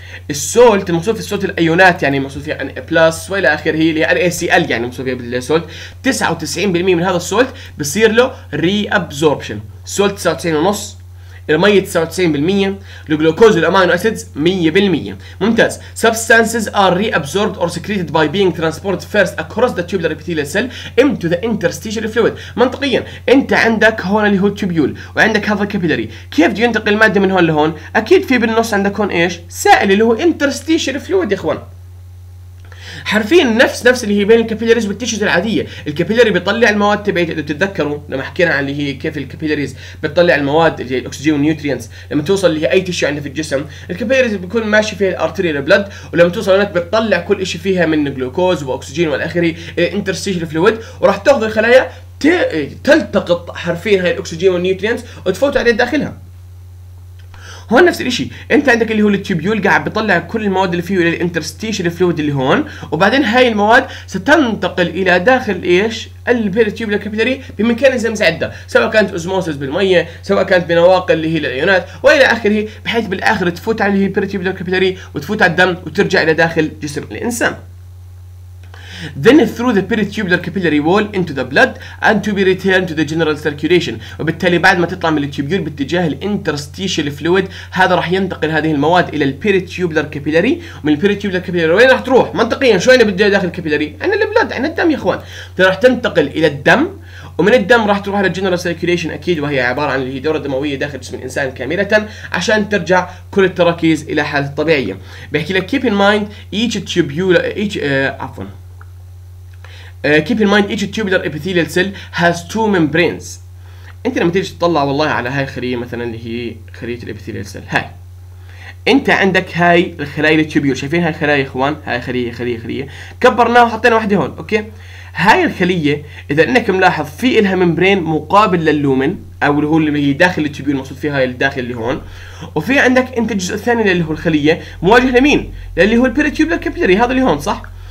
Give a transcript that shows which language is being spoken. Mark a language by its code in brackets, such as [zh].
[ar] السولت المقصود في السولت الايونات يعني المقصود فيها ان بلس والى اخره، هي اللي هي ال ACL يعني المقصود فيها بالسولت، 99% من هذا السولت بصير له ري ابزوربشن. سولت 99.5، المية 99%، الجلوكوز والامينو اسيدز 100%. ممتاز. [en] Substances are reabsorbed or secreted by being transported first across the tubular epithelial cell into the interstitial fluid. [ar] منطقيا انت عندك هون اللي هو التوبيول وعندك هذا الكابيلاري، كيف بده ينتقل الماده من هون لهون؟ اكيد في بالنص عندك هون ايش؟ سائل اللي هو interstitial fluid يا اخوان، حرفيا نفس اللي هي بين الكابيلاريز والتيشوز العاديه. الكابيلاري بيطلع المواد تبعيته، اذا بتتذكروا لما حكينا عن اللي هي كيف الكابيلاريز بتطلع المواد اللي هي الاكسجين والنيوترينتس لما توصل اللي هي اي تيشو عندنا في الجسم، الكابيلاريز بيكون ماشي فيها الارتيريال بلد، ولما توصل هناك بتطلع كل شيء فيها من جلوكوز واكسجين والاخري انترستيشل فلويد، وراح تاخذ الخلايا تلتقط حرفيا هاي الاكسجين والنيوترينتس وتفوت عليه داخلها. هون نفس الشيء، انت عندك اللي هو التيوبيول قاعد بيطلع كل المواد اللي فيه الى الانترستيشن فلويد اللي هون، وبعدين هاي المواد ستنتقل الى داخل ايش؟ البيرتيوبل كابيلاري بميكانيزمز عده، سواء كانت اوزموسس بالميه، سواء كانت بنواقل اللي هي الايونات والى اخره، بحيث بالاخر تفوت على البيرتيوبل كابيلاري وتفوت على الدم وترجع الى داخل جسم الانسان. [en] Then through the peritubular capillary wall into the blood and to be returned to the general circulation. [ar] وبالتالي بعد ما تطلع من التيوبيول باتجاه الانترستيشال فلويد هذا راح ينتقل هذه المواد الى البيريتيوبلر كابيلاري، ومن البيريتيوبلر كابيلاري وين راح تروح؟ منطقيا شو انا بدي داخل الكابيلاري؟ عندنا البلد عندنا الدم يا اخوان، راح تنتقل الى الدم، ومن الدم راح تروح الى الجنرال سيركيوليشن اكيد، وهي عباره عن الدوره الدمويه داخل جسم الانسان كامله عشان ترجع كل التركيز الى حالته الطبيعيه. بيحكي لك [en] keep in mind each tubule each [ar] عفوا [en] keep in mind each tubular epithelial cell has two membranes. [ar] انت لما تيجي تطلع والله على هاي الخليه مثلا اللي هي خليه الابيثيليال سيل، هاي انت عندك هاي الخلايا التيوبيول، شايفين هاي الخلايا يا اخوان؟ هاي خليه خليه خليه كبرناها وحطينا واحده هون، اوكي. هاي الخليه اذا انك ملاحظ في لها ممبرين مقابل للومن او اللي هو اللي هي داخل التيوبيول المقصود فيها الداخل اللي هون، وفي عندك انت الجزء الثاني اللي هو الخليه مواجه لمين؟ اللي هو البيريتيوبولار كابيلاري هذا اللي هون صح.